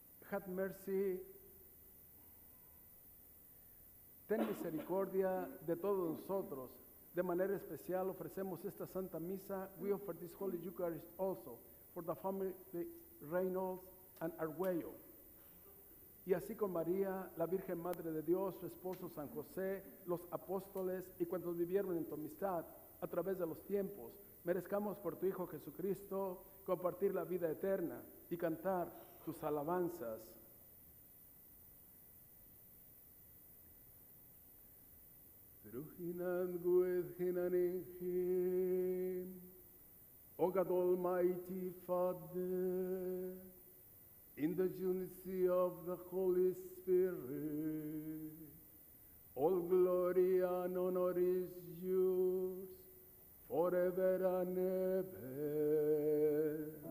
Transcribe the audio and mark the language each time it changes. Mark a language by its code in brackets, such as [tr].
[en] Have mercy. [es] Ten misericordia de todos nosotros. De manera especial ofrecemos esta santa misa. [en] We offer this Holy Eucharist also for the family Reynolds and Arguello. [es] Y así con María, la Virgen Madre de Dios, su esposo San José, los apóstoles y cuantos vivieron en tu amistad a través de los tiempos, merezcamos por tu Hijo Jesucristo compartir la vida eterna y cantar tus alabanzas. [en] Through him and with him and in him, O God Almighty Father, in the unity of the Holy Spirit, all glory and honor is yours forever and ever.